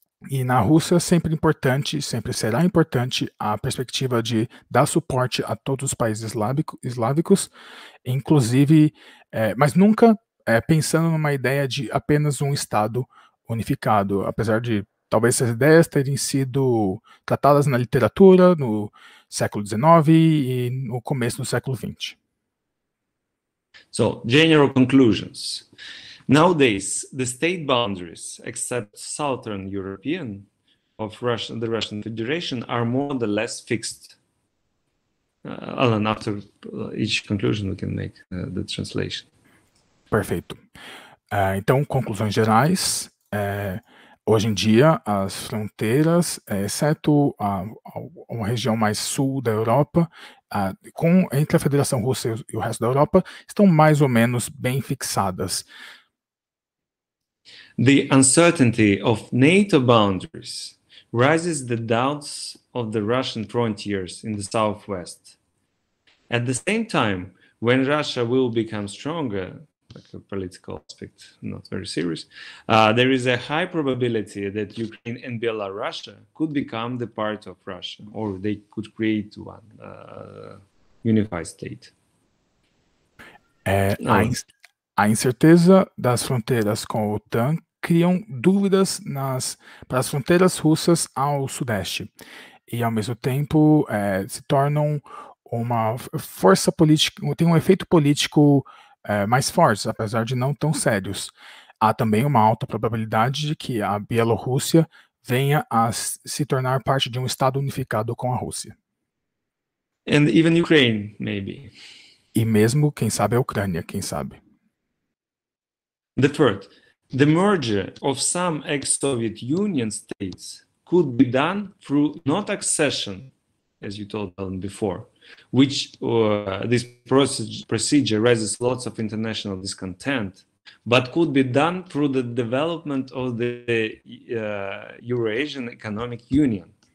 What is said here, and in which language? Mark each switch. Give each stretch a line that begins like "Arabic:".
Portuguese: E na Rússia é sempre importante, sempre será importante, a perspectiva de dar suporte a todos os países eslávicos, inclusive, mas nunca pensando numa ideia de apenas um Estado unificado, apesar de talvez essas ideias terem sido tratadas na literatura no século XIX e no começo do século XX.
English: So, general conclusions. Nowadays, the state boundaries, except southern European of Russia, the Russian Federation, are more or less fixed. Alan, after each conclusion, we can make the translation.
Portuguese: Perfeito. Então, conclusões gerais. Hoje em dia, as fronteiras, exceto uma região mais sul da Europa, entre a Federação Russa e o resto da Europa, estão mais ou menos bem fixadas.
English: The uncertainty of NATO boundaries raises the doubts of the Russian frontiers in the southwest. At the same time, when Russia will become stronger, like a political aspect, not very serious, there is a high probability that Ukraine and Belarus could become the part of Russia, or they could create one unified state.
Portuguese: A incerteza das fronteiras com a OTAN criam dúvidas para as fronteiras russas ao sudeste. E, ao mesmo tempo, se tornam uma força política, tem um efeito político mais forte, apesar de não tão sérios. Há também uma alta probabilidade de que a Bielorrússia venha a se tornar parte de um Estado unificado com a Rússia.
English: And even Ukraine, maybe.
Portuguese: E mesmo, quem sabe, a Ucrânia, quem sabe.
English: The third, the merger of some ex-Soviet Union states could be done through not accession, as you told them before, which this procedure raises lots of international discontent, but could be done through the development of the Eurasian Economic Union.